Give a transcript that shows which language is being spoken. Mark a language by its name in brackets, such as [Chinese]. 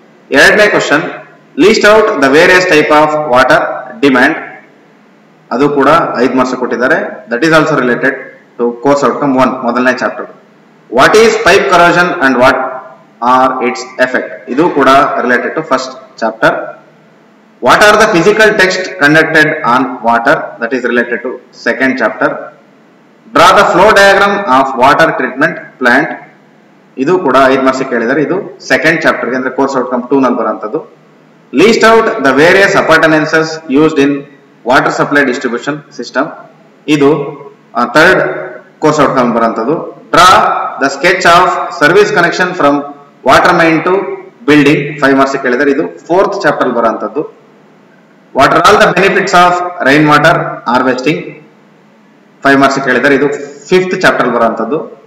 [Kannada] ಎರಡನೇ [English] question, list out the various type of water demand, [Kannada] ಅದು ಕೂಡ 5 ಮಾರ್ಕ್ಸ್ ಕೊಟ್ಟಿದ್ದಾರೆ. [English] that is also related to course outcome 1, [Kannada] ಮೊದಲನೇ [English] Chapter. What is pipe corrosion and what are its effect, [Kannada] ಇದು ಕೂಡ [English] Related to first chapter. What are the physical tests conducted on water? That is related to second chapter. Draw the flow diagram of water treatment plant. [Kannada] ಇದು ಕೂಡ 5 marks ಕೇಳಿದ್ದಾರೆ ಇದು [English] second chapter [Kannada] ಗೆ ಅಂದ್ರೆ [English] course outcome 2 [Kannada] ನಲ್ಲಿ ಬರುವಂತದ್ದು [English] list out the various appurtenances used in water supply distribution system [Kannada] ಇದು [English] third course outcome [Kannada] ಬರುವಂತದ್ದು [English] draw the sketch of service connection from water main to building [Kannada] 5 marks ಕೇಳಿದ್ದಾರೆ ಇದು [English] fourth chapter [Kannada] ಅಲ್ಲಿ ಬರುವಂತದ್ದು [English] what are all the benefits of rain water harvesting 5 marks ಕೇಳಿದ್ದಾರೆ ಇದು fifth chapter ಅಲ್ಲಿ ಬರುವಂತದ್ದು